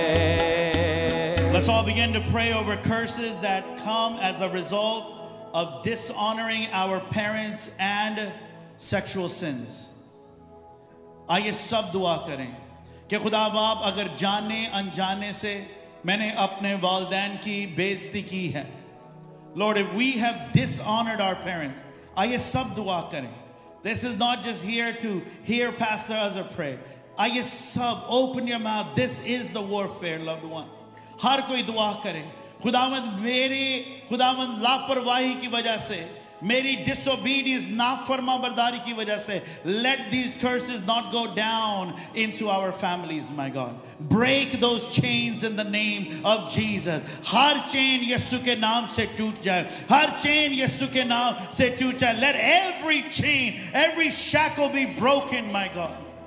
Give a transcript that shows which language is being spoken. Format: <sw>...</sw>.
<en>Let's all begin to pray over curses that come as a result of dishonoring our parents and sexual sins.</en> <hi>आइए सब दुआ करें कि खुदा बाप अगर जाने अनजाने से मैंने अपने वालदैन की बेइज्जती की है</hi> <en>Lord, if we have dishonored our parents,</en> <hi>आइए सब दुआ करें</hi> <en>This is not just here to hear Pastor Azhar pray.</en> <hi>आइए सब</hi> <en>open your mouth. This is the warfare, loved one.</en> <hi>हर कोई दुआ करें खुदावंद मेरी खुदावंद लापरवाही की वजह से मेरी डिसोबीडियंस नाफरमा बरदारी की वजह से</hi> <en>let these curses not go down into our families my god break those chains in the name of Jesus</en> <hi>हर chain यीशु के नाम से टूट जाए हर चेन यीशु के नाम से टूट जाए</hi> <en>let every chain every shackle be broken my god</en>